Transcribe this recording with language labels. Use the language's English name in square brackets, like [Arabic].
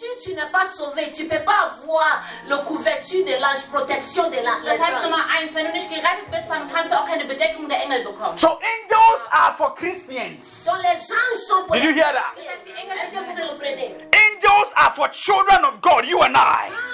[French] tu n'es pas sauvé, tu peux pas avoir le couverture de l'ange, protection de l'ange. [German] Das heißt Nummer eins, wenn du nicht gerettet bist, dann kannst du auch keine Bedeckung der Engel bekommen. [English] So angels are for Christians. [French] Donc les anges sont pour [English] Did you hear that? Angels are for children of God, you and I.